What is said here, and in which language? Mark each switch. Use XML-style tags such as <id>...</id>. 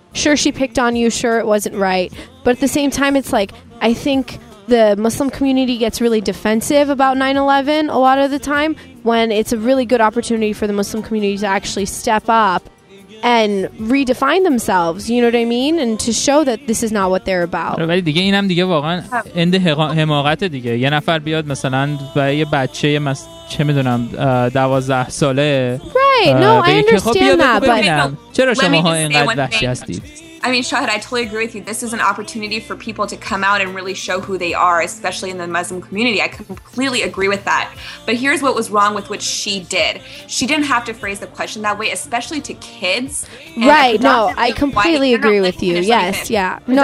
<en>Sure, she picked on you, sure it wasn't right, but at the same time, it's like, I think the Muslim community gets really defensive about 9/11 a lot of the time, when it's a really good opportunity for the Muslim community to actually step up and redefine themselves, you know what I mean? And to show that this is not what they're about.</en> <fa>ولی دیگه اینم دیگه واقعا اند حماقت دیگه. یه نفر بیاد مثلا با یه بچه چه میدونم 12 ساله.</fa> <en>Right. No, I understand that, but</en> <fa>چرا شما اینقدر وحشی هستید؟</fa> <en>I mean, Shahid, I totally agree with you. This is an opportunity for people to come out and really show who they are, especially in the Muslim community. I completely agree with that. But here's what was wrong with what she did. She didn't have to phrase the question that way, especially to kids. Right, no, I completely agree with you. Yes, yeah. No, no, no.</en>